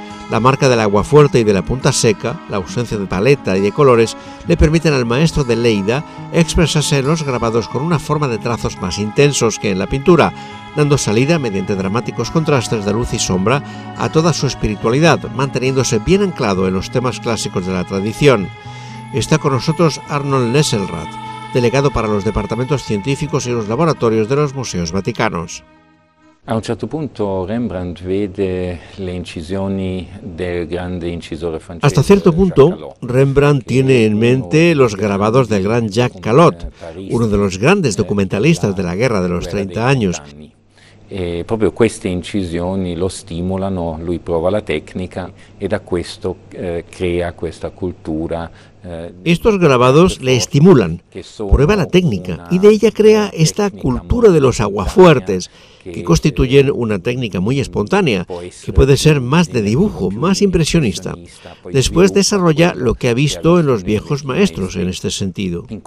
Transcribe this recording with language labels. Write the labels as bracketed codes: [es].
[es] La marca del agua fuerte y de la punta seca, la ausencia de paleta y de colores, le permiten al maestro de Leida expresarse en los grabados con una forma de trazos más intensos que en la pintura, dando salida, mediante dramáticos contrastes de luz y sombra, a toda su espiritualidad, manteniéndose bien anclado en los temas clásicos de la tradición. Está con nosotros Arnold Nesselrath, delegado para los departamentos científicos y los laboratorios de los Museos Vaticanos. [it] A un certo punto Rembrandt vede le incisioni del grande incisore francese. [es] Hasta cierto punto, Rembrandt tiene en mente los grabados del gran Jacques Callot, uno de los grandes documentalistas de la Guerra de los 30 años. [it] E proprio queste incisioni lo stimolano, lui prova la tecnica e da questo crea questa cultura. [es] Estos grabados le estimulan, prueba la técnica y de ella crea esta cultura de los aguafuertes, que constituyen una técnica muy espontánea, que puede ser más de dibujo, más impresionista. Después desarrolla lo que ha visto en los viejos maestros en este sentido.